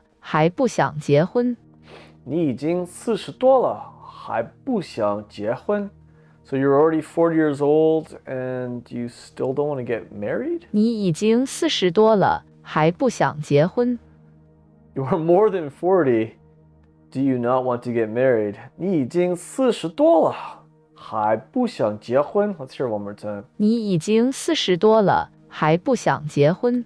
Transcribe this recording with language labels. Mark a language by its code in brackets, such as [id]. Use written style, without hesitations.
[zh] 你已经40多了，还不想结婚？你已经40多了，还不想结婚？ [en] So you're already 40 years old and you still don't want to get married? [zh] 你已经40多了，还不想结婚？ [en] You are more than 40. Do you not want to get married? [zh] 你已经40多了，还不想结婚？ [en] Let's hear it one more time. [zh] 你已经40多了。还不想结婚?